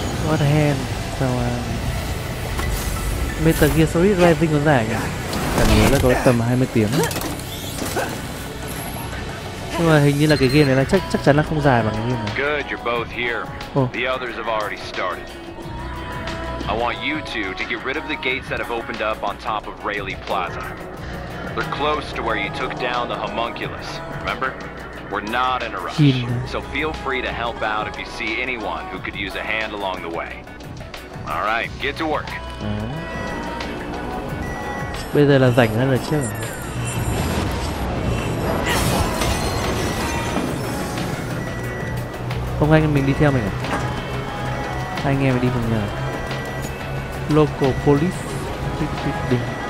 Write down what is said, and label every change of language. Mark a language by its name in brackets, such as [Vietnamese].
[Vietnamese] God Hand sao mà Metal Gear Solid Rising còn dài nhỉ? Cảm nhớ là có tầm 20 tiếng. Nhưng mà hình như là cái game này là chắc chắn là không dài bằng cái game này. [English] Good, you're both here. The others have already started. I want you two to get rid of the gates that have opened up on top of Rayleigh Plaza. They're close to where you took down the homunculus, remember? We're not in a rush, so feel free to help out if you see anyone who could use a hand along the way. All right, get to work. [Vietnamese] Bây giờ là rảnh hơn là chưa? Không, anh em mình đi theo mình à? Anh em mình đi cùng nhờ. [English] Local police building.